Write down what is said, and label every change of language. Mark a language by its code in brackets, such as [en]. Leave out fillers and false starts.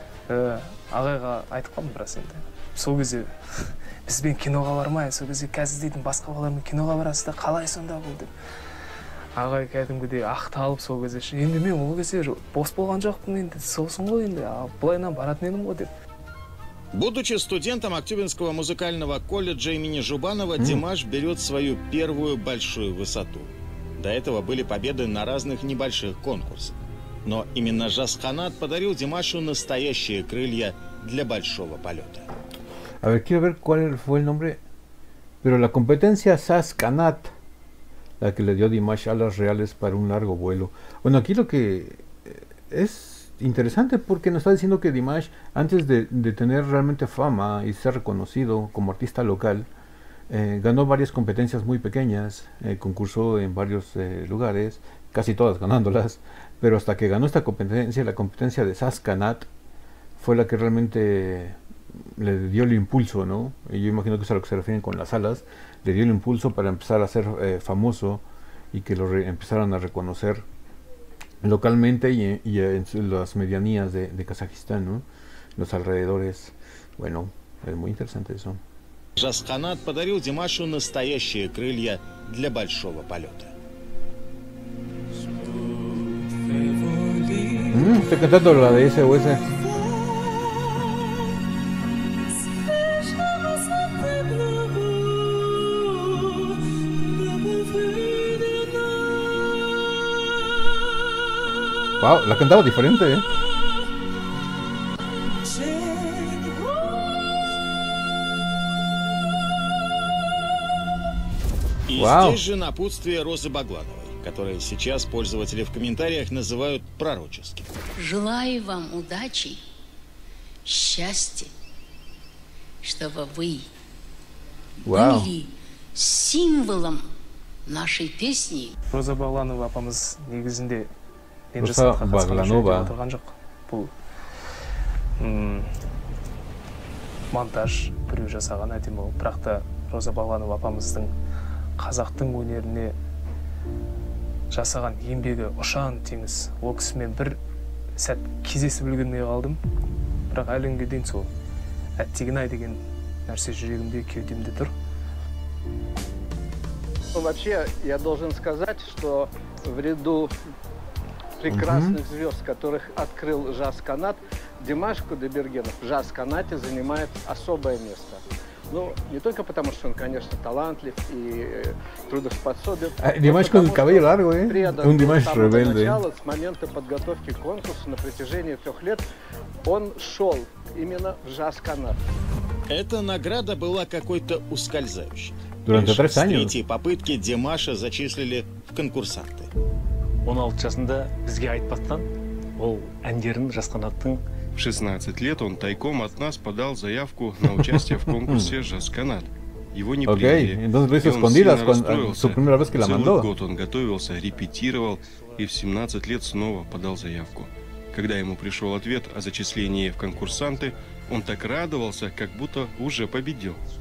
[kk] Ағайға айтқанмын біраз енді. Сол кезде бізбен киноға бармай, сол кезде қазір дейтін басқа балармен киноға барасыз да қалай сонда бұл деп. Ағай кәдімгідей ақталып сол кезде, енді мен ол кезде бос болған жоқпын енді, сосын ғой енді, былайынан баратын едім ғой деп. [ru] Будучи студентом Актюбинского музыкального колледжа имени Жубанова, Димаш берет свою первую большую высоту. До этого были победы на разных небольших конкурсах. Но именно Жасканат подарил Димашу настоящие крылья для большого полета. [es] A ver, quiero ver cuál fue el nombre. Pero la competencia Жасканат, la que le dio Димаш alas reales para un largo vuelo. Bueno, aquí lo que es interesante, porque nos está diciendo que Димаш, antes de tener realmente fama y ser reconocido como artista local, ganó varias competencias muy pequeñas, concursó en varios lugares, casi todas ganándolas, pero hasta que ganó esta competencia, la competencia de Жасканат, fue la que realmente le dio el impulso, ¿no? Y yo imagino que es a lo que se refieren con las alas, le dio el impulso para empezar a ser famoso y que lo empezaran a reconocer localmente y en las medianías de Kazajistán, ¿no? Los alrededores. Bueno, es muy interesante eso. [ru] Жасканат подарил Димашу настоящие крылья для большого полета. [es] Estoy cantando la de ese o ese. Wow, la cantaba diferente, ¿eh? [ru] И wow. Здесь же напутствие Розы Баглановой, которое сейчас пользователи в комментариях называют пророческим. Желаю вам удачи, счастья, чтобы вы были символом нашей песни. [kk] Роза Бағланова апамыз негізінде монтаж біреу жасаған әдемі ол. Бірақ та Роза Бағланова апамыздың қазақтың өнеріне жасаған еңбегі ұшан теңіз. Ол кісімен бір сәт кездесіп үлгермей қалдым. Бірақ әлінге дейін сол әттеген-ай деген нәрсе жүрегімде кеудемде тұр. [ru] Вообще, я должен сказать, что в ряду прекрасных звезд, которых открыл джаз-канат, Димаш Кудайбергенов в джаз-канате занимает особое место. Ну, не только потому, что он, конечно, талантлив и трудоспособен. А Димаш Кудайбергенов предан с самого начала, с момента подготовки к конкурсу на протяжении 3 лет, он шел именно в джаз-канат. Эта награда была какой-то ускользающей. [es] Durante 3 años. [ru] Третьи попытки Димаша зачислили в конкурсанты. [kk] 16 часында бізге айтпастан, ол әндерін жасқанаттың. [ru] В 16 лет он тайком от нас подал заявку на участие в конкурсе Жасканат. Его не приняли. [es] Entonces, [ru] он сильно расстроился. Целый год он готовился, репетировал и в 17 лет снова подал заявку. Когда ему пришел ответ о зачислении в конкурсанты, он так радовался, как будто уже победил.